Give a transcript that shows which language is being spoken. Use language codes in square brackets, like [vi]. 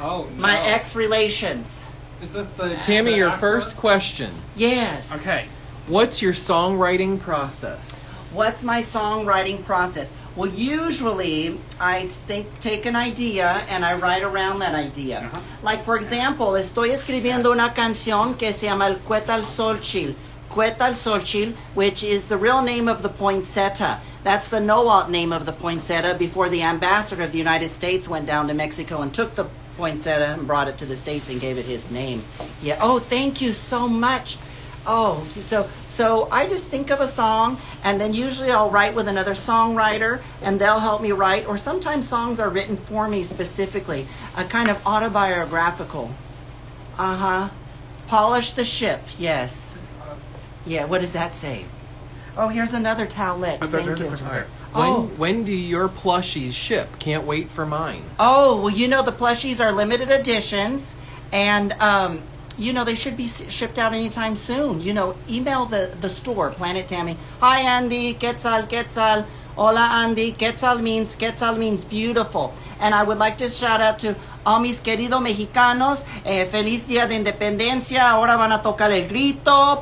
[en] Oh, no. My ex-relations. Is this the... Tammy, the your first question. Yes. Okay. What's your songwriting process? What's my songwriting process? Well, usually, I take an idea and I write around that idea. Uh-huh. Like, for example, [es] estoy escribiendo una canción que se llama El Cueta al Sol Chil. [en] Cueta al Sol Chil, which is the real name of the poinsettia. That's the Nahuatl name of the poinsettia before the ambassador of the United States went down to Mexico and took the poinsettia and brought it to the States and gave it his name. Yeah. Oh, thank you so much. Oh, so I just think of a song, and then usually I'll write with another songwriter, and they'll help me write, or sometimes songs are written for me specifically, a kind of autobiographical. Uh-huh. Polish the ship, yes. Yeah, what does that say? Oh, here's another towelette. Thank you. When do your plushies ship? Can't wait for mine. Oh, well, you know the plushies are limited editions, and... you know, they should be shipped out anytime soon. You know, email the store, Planet Tammy. Hi, Andy. [es] Quetzal. Hola, Andy. [en] Quetzal means beautiful. And I would like to shout out to all [es] mis queridos mexicanos. Feliz Día de Independencia. Ahora van a tocar el grito.